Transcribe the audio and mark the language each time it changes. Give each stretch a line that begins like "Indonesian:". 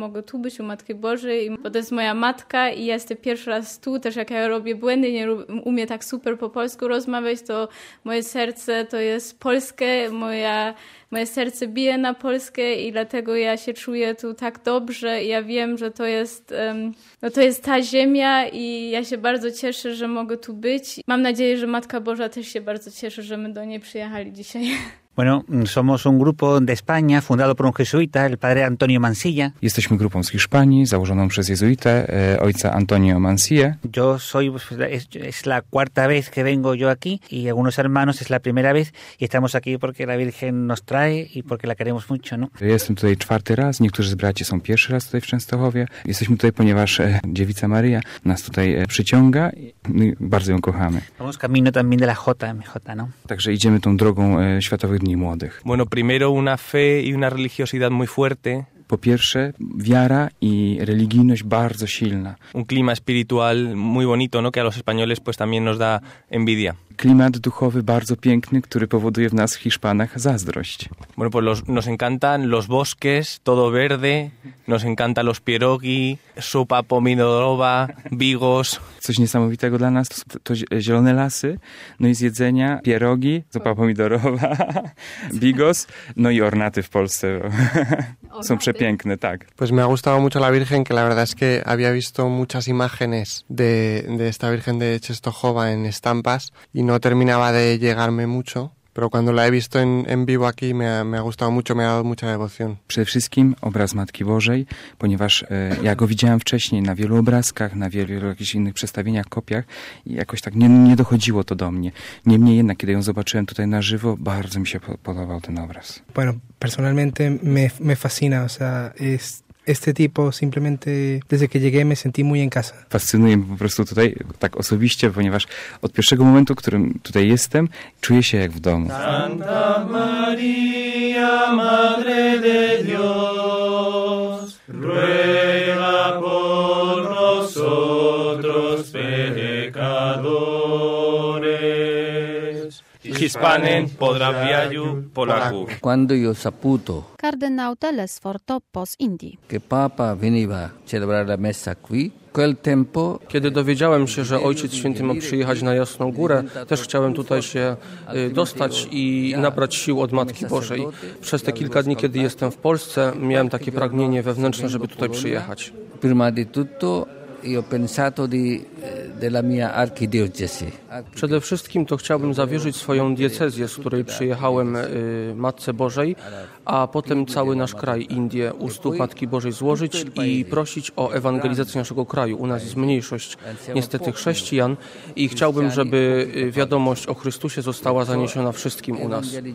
Polish: mogę tu być u Matki Bożej, bo to jest moja matka i ja jestem pierwszy raz tu, też jak ja robię błędy, nie umiem tak super po polsku rozmawiać, to moje serce to jest polskie, moje serce bije na polskie i dlatego ja się czuję tu tak dobrze i ja wiem, że to jest, no to jest ta ziemia i ja się bardzo cieszę, że mogę tu być. Mam nadzieję, że Matka Boża też się bardzo cieszy, że my do niej przyjechali dzisiaj.
Spanish: Bueno, somos un grupo de España fundado por un jesuita, el padre Antonio Mansilla.
Polish: Jesteśmy grupą z Hiszpanii, założoną przez jezuitę, ojca Antonio Mansilla.
Spanish: Yo soy, es la cuarta vez que vengo yo aquí y algunos hermanos es la primera vez y estamos aquí porque la Virgen nos trae y porque la queremos mucho, ¿no?
Polish: Jestem tutaj czwarty raz, niektórzy z braci są pierwszy raz tutaj w Częstochowie. Jesteśmy tutaj, ponieważ Dziewica Maria nas tutaj przyciąga i bardzo ją kochamy.
Spanish: Vamos camino también de la JMJ, ¿no?
Polish: Także idziemy tą drogą światową Dni młodych.
Spanish: Bueno, primero una fe y una religiosidad muy fuerte.
Polish: Po pierwsze, wiara i religijność bardzo silna.
Spanish: Un clima espiritual muy bonito, no, que a los españoles pues también nos da envidia.
Polish: Klimat duchowy bardzo piękny, który powoduje w nas Hiszpanach zazdrość.
Spanish: Bueno, pues nos encantan los bosques, todo verde, nos encanta los pierogi,
Polish: sopa pomidorowa,
Spanish: bigos.
Polish: Coś niesamowitego dla nas to zielone lasy, no i zjedzenia, pierogi, sopa pomidorowa, bigos, no i ornaty w Polsce. Są przepiękne, tak.
Spanish: Pues me ha gustado mucho la Virgen, que la verdad es que había visto muchas imágenes de esta Virgen de Częstochowa en estampas y no terminaba de llegarme mucho, pero cuando la he visto en vivo aquí me ha gustado mucho, me ha dado mucha devoción.
Polish: Przede wszystkim obraz Matki Bożej, ponieważ ja go widziałem wcześniej na wielu obrazkach, na wielu jakichś innych przedstawieniach, kopiach i jakoś tak nie dochodziło to do mnie. Niemniej jednak, kiedy ją zobaczyłem tutaj na żywo, bardzo mi się podobał ten obraz.
Spanish: Bueno, personalmente me fascina, o sea, este tipo simplemente desde que llegué me sentí muy en casa.
Polish: Fascynuje mnie po prostu tutaj tak osobiście, ponieważ od pierwszego momentu, w którym tutaj jestem, czuję się jak w domu.
Spanish: Santa Maria, Madre de Dios, ruega por nosotros pecadores. Hispanen podrabia ju Polaku.
Italian: Quando io saputo
Polish: Kardynał Telesforto z Indii.
Italian: Che papa veniva celebrare la messa qui. Quel tempo,
Polish: kiedy dowiedziałem się, że Ojciec Święty ma przyjechać na Jasną Górę, też chciałem tutaj się dostać i nabrać sił od Matki Bożej. Przez te kilka dni, kiedy jestem w Polsce, miałem takie pragnienie wewnętrzne, żeby tutaj przyjechać.
Italian: Prima di tutto io pensato di della mia archidiocesi.
Polish: Przede wszystkim to chciałbym zawierzyć swoją diecezję, z której przyjechałem, Matce Bożej, a potem cały nasz kraj, Indie, u stóp Matki Bożej złożyć i prosić o ewangelizację naszego kraju. U nas jest mniejszość niestety chrześcijan i chciałbym, żeby wiadomość o Chrystusie została zaniesiona wszystkim u nas.